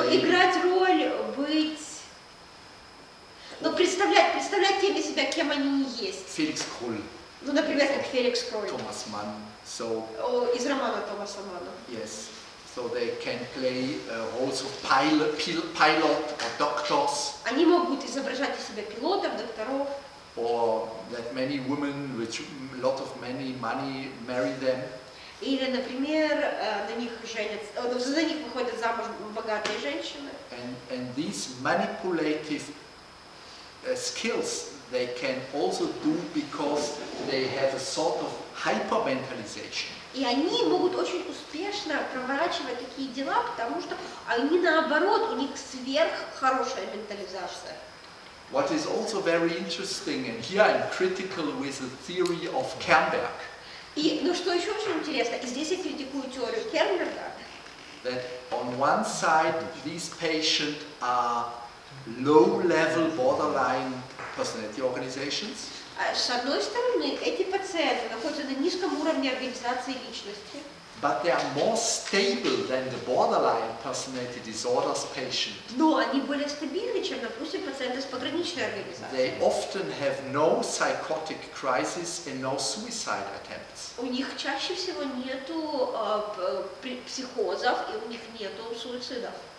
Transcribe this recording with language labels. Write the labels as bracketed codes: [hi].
[ru] играть роль, быть, представлять теми себя, кем они есть. Феликс Кроль. Например, как Феликс Кроль. Томас Манн. Из романа Томаса Манна. [en] Yes. So they can play roles of pilot or doctors. [ru] Они могут изображать из себя пилотов, докторов. [en] Or that many women with lot of money marry them. [ru] Или, например, на них женятся, за них выходят замуж богатые женщины. [en] And these manipulative skills they can also do because they have a sort of hypermentalization. [ru] И они могут очень успешно проворачивать такие дела, потому что они наоборот, у них сверххорошая ментализация. [en] What is also very interesting, and here I'm critical with the theory of Kernberg. [ru] И, что еще очень интересно, и здесь я критикую теорию Кернберга. [en] That on one side these patients are low-level borderline personality organizations. [ru] С одной стороны, эти пациенты находятся на низком уровне организации личности. [en] But they are more stable than the borderline personality disorders patient. [ru] Но они более стабильны, чем, допустим, пациенты с пограничной организацией. [en] They often have no psychotic crisis and no suicide attempts. [ru] У них чаще всего нету психозов и у них нету суицидов.